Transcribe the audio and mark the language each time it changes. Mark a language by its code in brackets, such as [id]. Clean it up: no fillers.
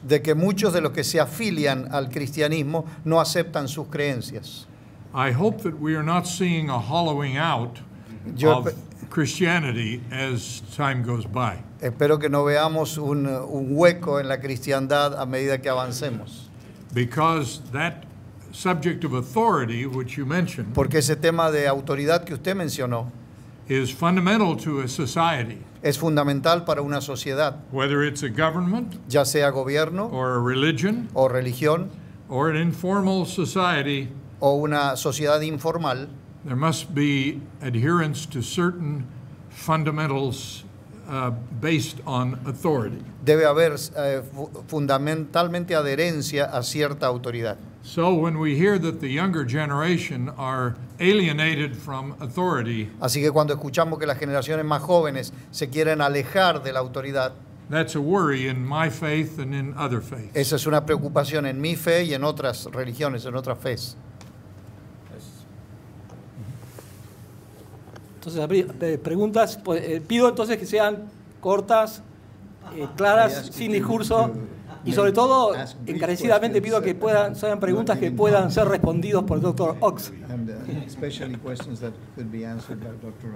[es] De que muchos de los que se afilian al cristianismo no aceptan sus creencias. [en] I hope that we are not seeing a hollowing out of Christianity as time goes by. [es] Espero que no veamos un hueco en la cristiandad a medida que avancemos. [en] Because that subject of authority which you mentioned, [es] porque ese tema de autoridad que usted mencionó, [en] is fundamental to a society. [es] Es fundamental para una sociedad. [en] Whether it's a government, [es] ya sea gobierno, [en] or a religion, [es] o religión, [en] or an informal society, [es] o una sociedad informal, [en] there must be adherence to certain fundamentals based on authority. [es] Debe haber fundamentalmente adherencia a cierta autoridad. [en] So when we hear that the younger generation are alienated from authority, [es] así que cuando escuchamos que las generaciones más jóvenes se quieren alejar de la autoridad, [en] that's a worry in my faith and in other faiths. [es] Esa es una preocupación en mi fe y en otras religiones, en otras fees. Entonces, preguntas, pues, pido entonces que sean cortas, claras, sin discurso, y sobre todo, encarecidamente pido que puedan, sean preguntas que puedan ser respondidas por el Dr. Ox. [en] Especially questions that could be answered by Dr.